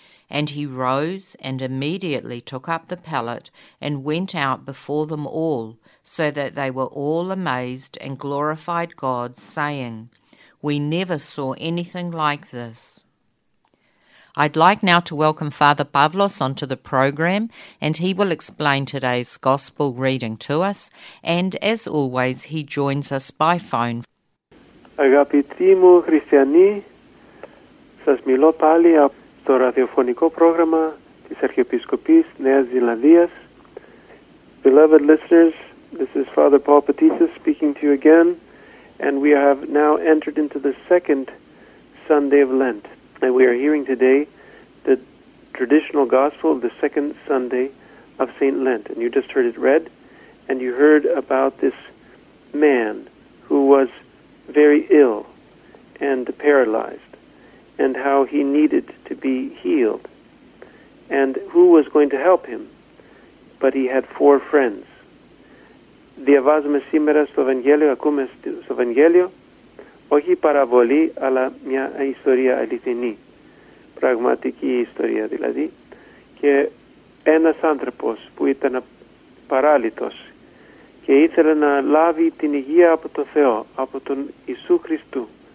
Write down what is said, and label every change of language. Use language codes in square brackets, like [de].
[en] And he rose and immediately took up the pallet and went out before them all, so that they were all amazed and glorified God, saying, "We never saw anything like this." I'd like now to welcome Father Pavlos onto the program, and he will explain today's gospel reading to us. And as always, he joins us by phone. [el] Αγαπητοί μου χριστιανοί, σας μιλώ πάλι από το ραδιοφωνικό πρόγραμμα της Αρχιεπισκοπής Νέας Ζηλανδίας. [en] Beloved listeners, this is Father Paul Patissis speaking to you again, and we have now entered into the second Sunday of Lent. And we are hearing today the traditional gospel of the second Sunday of St. Lent. And you just heard it read, and you heard about this man who was very ill and paralyzed, and how he needed to be healed, and who was going to help him. But he had four friends. [el] Διαβάζουμε σήμερα στο Ευαγγέλιο, ακούμε στο Ευαγγέλιο, όχι παραβολή, αλλά μια ιστορία αληθινή, πραγματική ιστορία δηλαδή. Και ένας άνθρωπος που ήταν παράλυτος και ήθελε να λάβει την υγεία από τον Θεό, από τον Ιησού Χριστού.